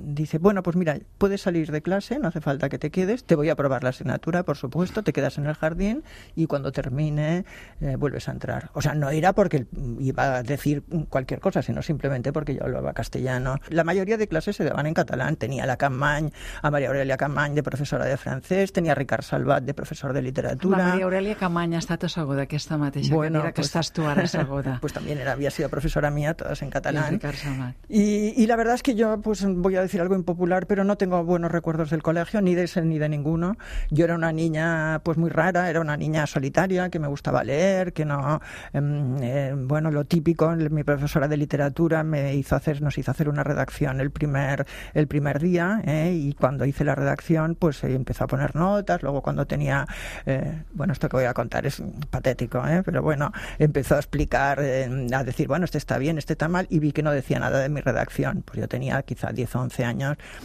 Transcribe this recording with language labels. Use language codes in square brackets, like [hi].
[es] Dice, bueno, pues mira, puedes salir de clase, no hace falta que te quedes, te voy a aprobar la asignatura, por supuesto, te quedas en el jardín y cuando termine vuelves a entrar. O sea, no era porque iba a decir cualquier cosa, sino simplemente porque yo hablaba castellano. La mayoría de clases se daban en catalán. Tenía la Campmany, a María Aurelia Campmany, de profesora de francés. Tenía a Ricard Salvat, de profesor de literatura. [ca] La María Aurelia Campmany ha estat asseguda aquesta mateixa, [es] bueno, que pues, [ca] estàs tu ara asseguda. [es] Pues también había sido profesora mía, todas en catalán. Y Ricard Salvat. Y la verdad es que yo, pues voy a decir algo impopular, pero no tengo buenos recuerdos del colegio, ni de ese ni de ninguno. Yo era una niña, pues muy rara, era una niña solitaria, que me gustaba leer, que no... bueno, lo típico, mi profesora de literatura nos hizo hacer una redacción el primer día, y cuando hice la redacción pues empezó a poner notas, luego cuando tenía, bueno, esto que voy a contar es patético, pero bueno, empezó a explicar, a decir, bueno, este está bien, este está mal, y vi que no decía nada de mi redacción, pues yo tenía quizá 10 o 11 años.